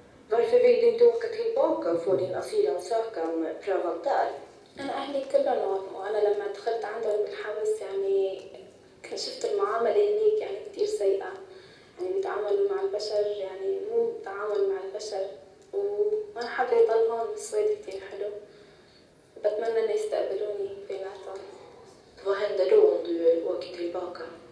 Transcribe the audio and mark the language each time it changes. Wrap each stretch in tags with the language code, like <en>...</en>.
<sv>Varför vill du inte åka tillbaka och få din asylansökan prövad där?</sv> <ar>أهلي كلهم وافقوا. أنا لما دخلت عندهم بالحبس يعني شفت المعاملة هنيك يعني كثير سيئة. يعني بيتعاملوا مع البشر يعني مو بتعامل مع البشر. وأنا حابة أضل هون بالسويد كثير حلو. بتمنى إنه يستقبلوني بيناتهم.</ar> <sv>Vad händer då om du åker tillbaka?</sv>